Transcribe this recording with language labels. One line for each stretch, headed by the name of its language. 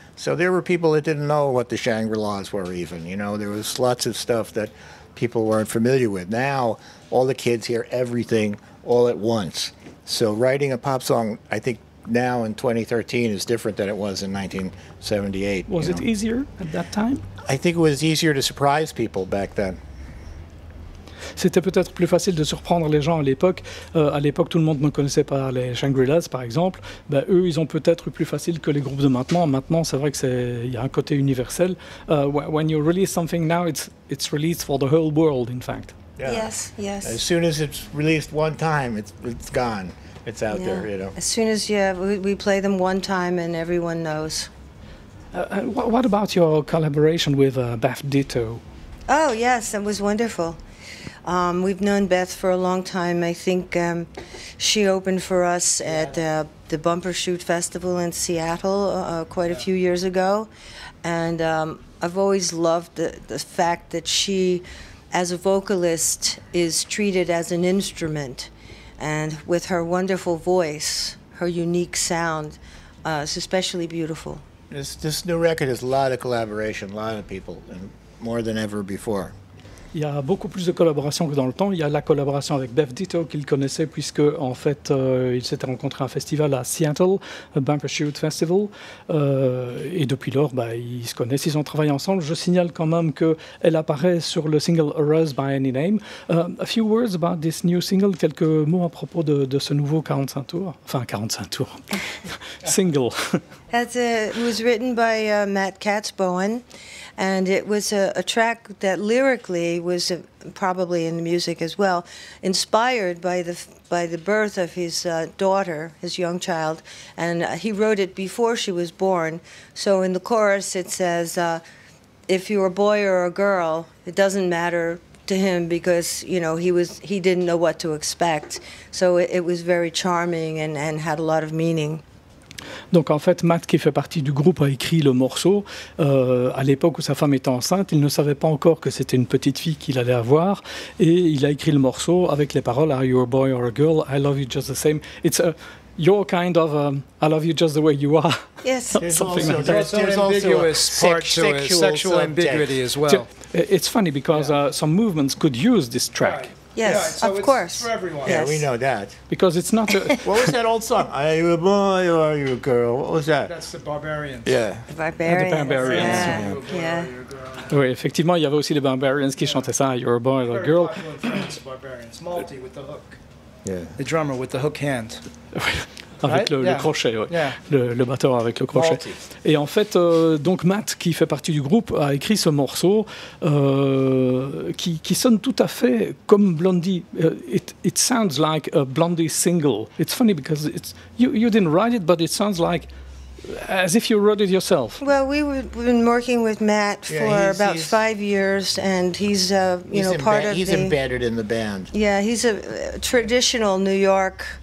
English: So there were people that didn't know what the Shangri-Las were even. You know, there was lots of stuff that people weren't familiar with. Now, all the kids hear everything all at once. So writing a pop song, I think now in 2013, is different than it was in 1978. Was it easier at that time? I think it was easier to surprise people back then.
French: C'était peut-être plus facile de surprendre les gens à l'époque. À l'époque, tout le monde ne connaissait pas les Shangri-Las, par exemple. Ben, eux, ils ont peut-être eu plus facile que les groupes de maintenant. Maintenant, c'est vrai que c'est il y a un côté universel.
English: When you release something now, it's released for the whole world, in fact. Yeah. Yes, yes. As soon as it's released one time, it's gone. It's out there, you know. As soon as we play them one time, and everyone knows. What about your collaboration with Beth Ditto? Oh yes, it was wonderful. We've known Beth for a long time. I think she opened for us at the Bumper Shoot Festival in Seattle quite a few years ago. And I've always loved the fact that she, as a vocalist, is treated as an instrument. And with her wonderful voice, her unique sound, it's especially beautiful. This new record is a lot of collaboration, a lot of people, and more than ever before.
French: Il y a beaucoup plus de collaborations que dans le temps. Il y a la collaboration avec Beth Ditto qu'il connaissait puisque en fait il s'était rencontré à un festival à Seattle, Bumper Shoot Festival, et depuis lors ils se connaissent, ils ont travaillé ensemble. Je signale quand même que elle apparaît sur le single "Arrows by Any Name".
English: A few words about this new single.
French: Quelques mots à propos de ce nouveau 45 tours, enfin 45 tours, single.
English: It was written by Matt Katz-Bowen. And it was a track that lyrically was probably in the music as well, inspired by the birth of his daughter, his young child. And he wrote it before she was born. So in the chorus it says, if you're a boy or a girl, it doesn't matter to him because, you know, he didn't know what to expect. So it was very charming and had a lot of meaning.
French: Donc en fait, Matt, qui fait partie du groupe, a écrit le morceau à l'époque où sa femme était enceinte. Il ne savait pas encore que c'était une petite fille qu'il allait avoir. Et il a écrit le morceau avec les paroles
English: « Are you a boy or a girl? I love you just the same. It's a, your kind of I love you just the way you are. » Yes. There's also ambiguous part to it, sexual ambiguity as well. It's funny because some movements could use this track. Right. Yes, so of course. It's for everyone. Yeah, we know that. Because it's not a... What was that old song? Are you a boy or are you a girl? What was that? That's the Barbarians. Yeah. The Barbarians. Yeah. Yeah. Yeah.
French: Oui, effectivement, il y avait aussi les Barbarians qui chantaient ça,
English: You're a boy or a girl. Very popular in France, the Barbarians. Malty with the hook. Yeah. The drummer with the hook hand.
French: Avec le crochet, oui. Le batteur avec le crochet.
English: Malty.
French: Et en fait, donc Matt, qui fait partie du groupe, a écrit ce morceau qui sonne tout à fait comme Blondie.
English: It sounds like a Blondie single. It's funny because you didn't write it, but it sounds like as if you wrote it yourself. Well, we've been working with Matt for about 5 years, and he's embedded in the band. Yeah, he's a traditional New York...